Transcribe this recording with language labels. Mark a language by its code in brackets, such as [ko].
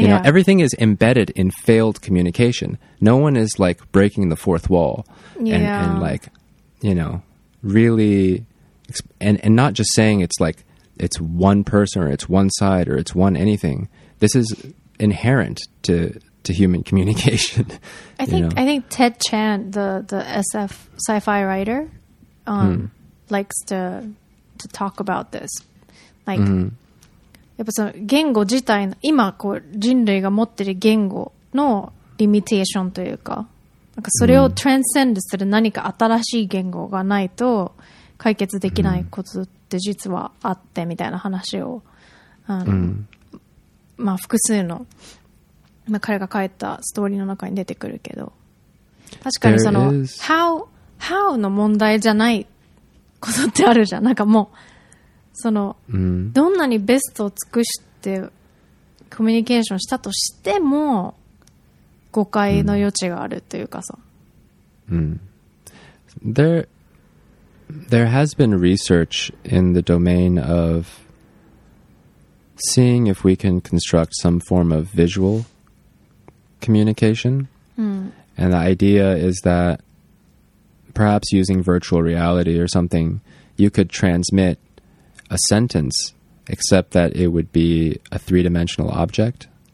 [en] You know, everything is embedded in failed communication. No one is like breaking the fourth wall and like, you know, really, and not just saying it's like, it's one person or it's one side or it's one anything. This is inherent to human communication. I think Ted Chan, the SF sci-fi writer, likes to talk about this. Like, mm-hmm. [ja] やっぱその言語自体の今こう人類が持っている言語のリミテーションというか、なんかそれをトランセンドする何か新しい言語がないと解決できないことって実はあってみたいな話を、まあ複数の、まあ、彼が書いたストーリーの中に出てくるけど、確かにその How の問題じゃないことってあるじゃん。なんかもうその、どんなにベストを尽くしてコミュニケーションしたとしても誤解の余地があるというかさ、 [en] There has been research in the domain of seeing if we can construct some form of visual communication. And the idea is that perhaps using virtual reality or something, you could transmit a sentence, except that it would be a three-dimensional object.